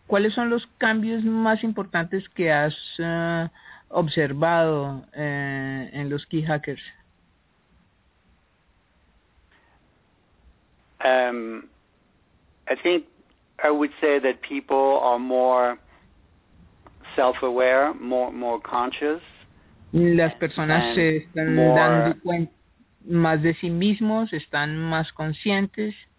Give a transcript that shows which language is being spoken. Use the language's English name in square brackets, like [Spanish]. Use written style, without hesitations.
[Spanish] ¿Cuáles son los cambios más importantes que has observado en los key hackers? [English] I think I would say that people are more self-aware, more conscious. [Spanish] Las personas se están dando cuenta más de sí mismos, están más conscientes.